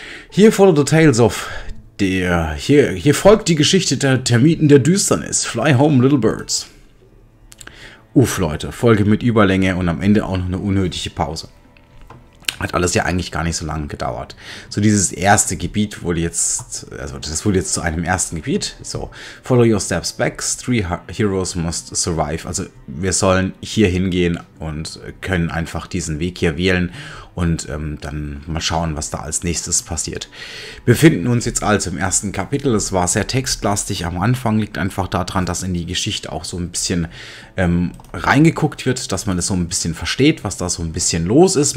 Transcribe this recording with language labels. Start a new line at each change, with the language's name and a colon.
English: Here follow the tales of
German: der. Hier folgt die Geschichte der Termiten der Düsternis.
English: Fly home, little birds.
German: Uff, Leute. Folge mit Überlänge und am Ende auch noch eine unnötige Pause. Hat alles ja eigentlich gar nicht so lange gedauert. So dieses erste Gebiet wurde jetzt, also das wurde jetzt zu einem ersten Gebiet.
English: So, follow your steps back, three heroes must survive.
German: Also wir sollen hier hingehen und können einfach diesen Weg hier wählen und dann mal schauen, was da als nächstes passiert. Wir befinden uns jetzt also im ersten Kapitel. Es war sehr textlastig am Anfang, liegt einfach daran, dass in die Geschichte auch so ein bisschen reingeguckt wird, dass man es so ein bisschen versteht, was da so ein bisschen los ist.